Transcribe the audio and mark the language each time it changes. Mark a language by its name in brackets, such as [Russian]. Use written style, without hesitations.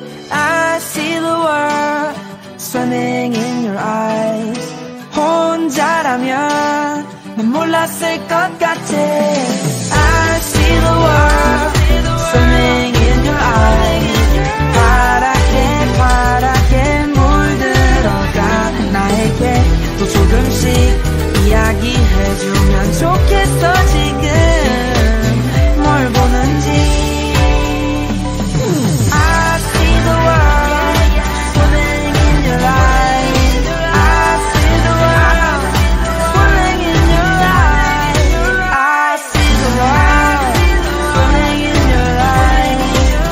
[English] I see the world swimming in your eyes. [Korean] 혼자라면 난 몰랐을 것 같아. [English] I see the world swimming in your eyes. [Korean] 파랗게 파랗게 물들어가. 나에게 조금씩 이야기해주면 좋겠어. 지금 뭘 보는지. [English] I see the world swimming in your eyes. I see the world swimming in your eyes. I see the world swimming in your eyes.